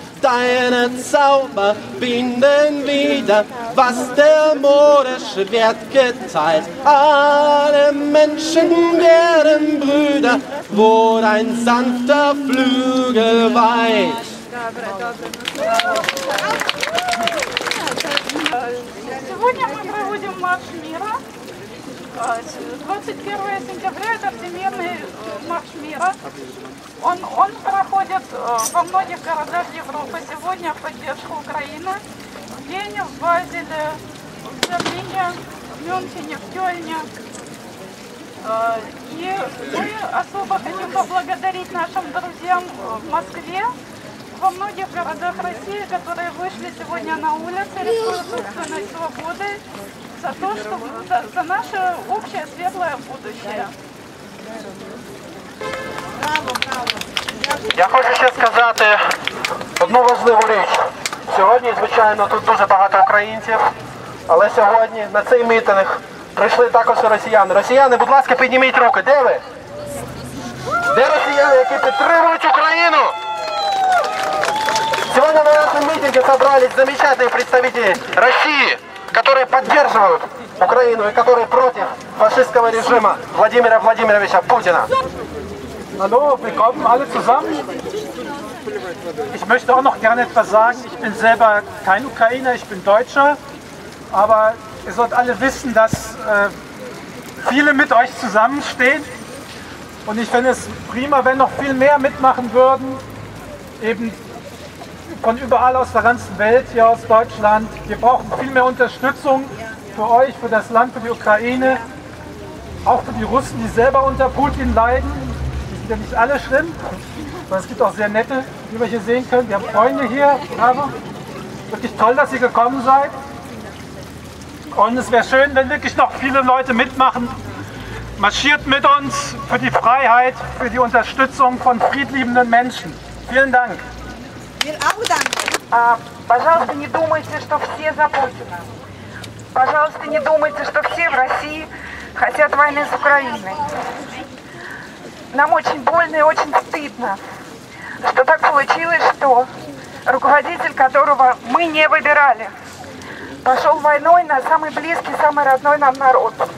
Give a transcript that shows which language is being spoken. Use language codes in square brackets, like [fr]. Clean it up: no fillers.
[de] Deine Zauber binden wieder, was der Moderschwert geteilt. Alle Menschen werden Brüder, wo dein sanfter Flügel weiht. [ru] Сегодня мы проводим марш мира. 21 сентября – это всемирный марш мира. Он проходит во многих городах Европы сегодня в поддержку Украины. В Вене, в Базеле, в Берлине, в Мюнхене, в Кёльне. И мы особо хотим поблагодарить нашим друзьям в Москве, во многих городах России, которые вышли сегодня на улицы, рискуют собственной свободой. За то, что за наше общее светлое будущее. [uk] Я хочу ще сказати одну важливу річ. Сьогодні, звичайно, тут дуже багато українців, але сьогодні на цей мітинг прийшли також росіяни. Росіяни, будь ласка, підніміть руки. Де ви? [ru] для россиян, [uk] які підтримують Україну. Сьогодні на нашому мітингу зібралися [ru] замечательные представители России, которые поддерживают Украину и которые против фашистского режима Владимира Владимировича Путина. [de] Hallo, willkommen alle zusammen. Ich möchte auch noch gerne etwas sagen. Ich bin selber kein Ukrainer, ich bin Deutscher. Aber ihr sollt alle wissen, dass viele mit euch zusammenstehen. Und ich finde es prima, wenn noch viel mehr mitmachen würden. Eben von überall aus der ganzen Welt, hier aus Deutschland. Wir brauchen viel mehr Unterstützung für euch, für das Land, für die Ukraine. Auch für die Russen, die selber unter Putin leiden. Ja, nicht alle schlimm, aber es gibt auch sehr nette, wie wir hier sehen können. Wir haben Freunde hier, aber wirklich toll, dass ihr gekommen seid. Und es wäre schön, wenn wirklich noch viele Leute mitmachen. Marschiert mit uns für die Freiheit, für die Unterstützung von friedliebenden Menschen. Vielen Dank. Wir auch danke. [ru] Пожалуйста, не думайте, что все за Путина. Пожалуйста, не думайте, что все в России хотят войны с Украиной. Нам очень больно и очень стыдно, что так получилось, что руководитель, которого мы не выбирали, пошел войной на самый близкий, самый родной нам народ.